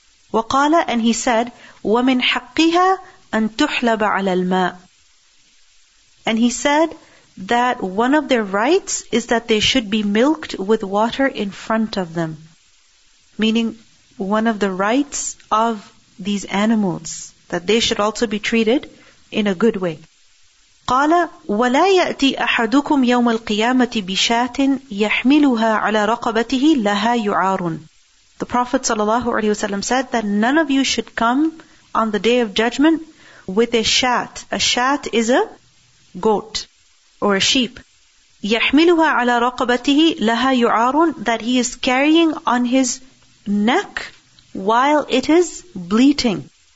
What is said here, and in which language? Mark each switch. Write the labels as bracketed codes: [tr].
[ar] وَقَالَ, [en] and he said, [ar] وَمِنْ حَقِّهَا أَنْ تُحْلَبَ عَلَى الْمَاءِ, [en] and he said that one of their rights is that they should be milked with water in front of them. Meaning, one of the rights of these animals, that they should also be treated in a good way. [ar] قال ولا يأتي أحدكم يوم القيامة بشاة يحملها على رقبته لها يعار. [en] The Prophet sallallahu alaihi wasallam said that none of you should come on the day of judgment with a shat. A shat is a goat or a sheep. [ar] يَحْمِلُهَا عَلَىٰ رَقَبَتِهِ لَهَا يُعَارٌ, [en] that he is carrying on his neck while it is bleating.